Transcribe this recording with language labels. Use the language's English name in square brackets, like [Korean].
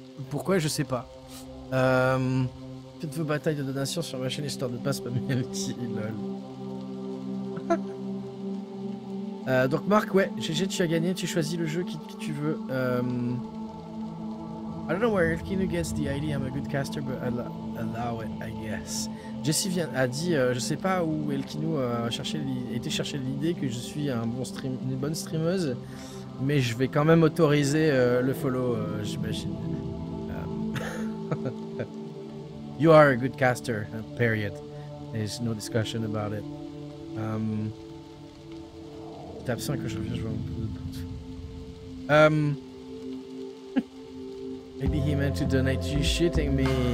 [French] Pourquoi, je sais pas. Faites vos batailles de donations sur ma chaîne histoire de pas spammer Elki, lol. Donc Marc, ouais, GG, tu as gagné, tu choisis le jeu qui tu veux. [English] I don't know where Elkino gets the idea I'm a good caster, but I'll allow it, I guess. [French] Jesse vient, a dit, je sais pas où Elkino a été chercher l'idée que je suis une bonne streameuse, mais je vais quand même autoriser le follow, j'imagine. [English] You are a good caster, period. There's no discussion about it. [French] T'es absent que je reviens, je vois mon pouce. [English] Maybe he meant to donate you shooting me.